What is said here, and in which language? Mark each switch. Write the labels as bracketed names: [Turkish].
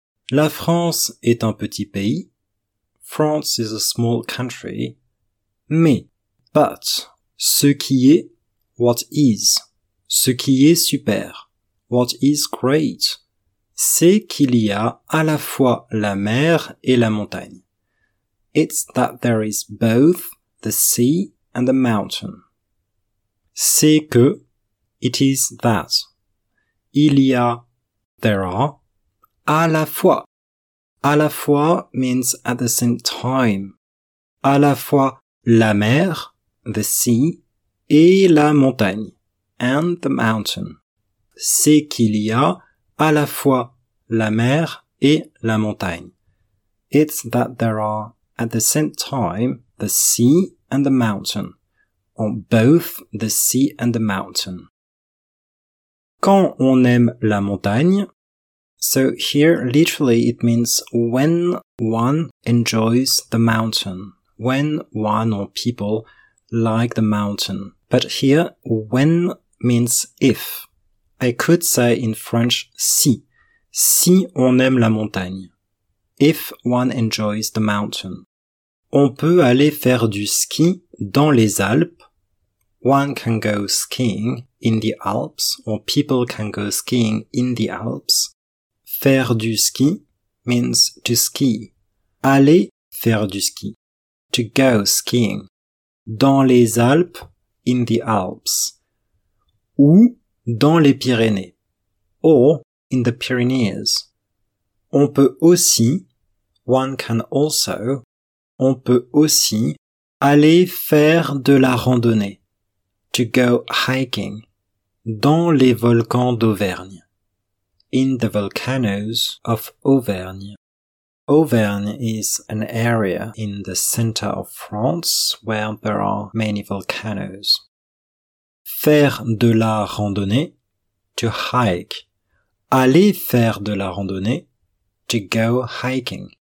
[French] La France est un petit pays, [English] France is a small country, [French] mais, but, ce qui est, what is, ce qui est super, [English] what is great, [French] c'est qu'il y a à la fois la mer et la montagne. [English] It's that there is both the sea and the mountain. [French] C'est que, [English] it is that. [French] Il y a, [English] there are, [French] à la fois. À la fois [English] means at the same time. [French] À la fois la mer, the sea, et la montagne, [English] and the mountain. [French] C'est qu'il y a à la fois la mer et la montagne. [English] It's that there are, at the same time, the sea and the mountain. On both the sea and the mountain. [French] Quand on aime la montagne, [English] so here literally it means when one enjoys the mountain, when one or people like the mountain. But here, when means if. I could say in French, si. [French] Si on aime la montagne. [English] If one enjoys the mountain. [French] On peut aller faire du ski dans les Alpes. [English] One can go skiing in the Alps, or people can go skiing in the Alps. [French] Faire du ski [English] means to ski. [French] Aller faire du ski. [English] To go skiing. [French] Dans les Alpes, [English] in the Alps. [French] Ou dans les Pyrénées. [English] Or in the Pyrenees. [French] On peut aussi, [English] one can also, [French] on peut aussi aller faire de la randonnée. [English] To go hiking [French] dans les volcans d'Auvergne. [English] In the volcanoes of Auvergne. Auvergne is an area in the center of France where there are many volcanoes. [French] Faire de la randonnée, [English] to hike. [French] Aller faire de la randonnée, [English] to go hiking.